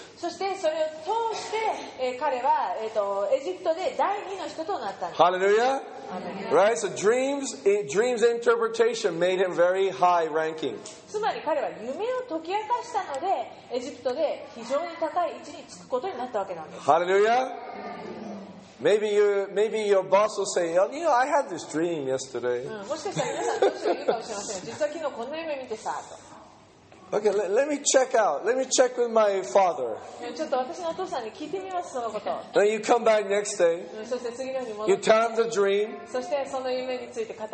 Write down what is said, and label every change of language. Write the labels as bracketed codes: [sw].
[ja] そしてそれを通して、彼は、エジプトで第二の人となったんです。 [en] Hallelujah. Right? So dreams interpretation made him very high ranking. [ja] つまり彼は夢を解き明かしたのでエジプトで非常に高い位置につくことになったわけなんです。ハレルヤ。 [en] Maybe your boss will say, you know, I had this dream yesterday. [ja] もしかしたら皆さん同士が言うかもしれません。実は昨日こんな夢見てさと。 [en] Okay, let me check out. Let me check with my father. [ja] ちょっと私のお父さんに聞いてみますそのこと。 [en] Then you come back next day. [ja] そして次の日に戻って。 [en] You tell him the dream. [ja] そしてその夢について語る。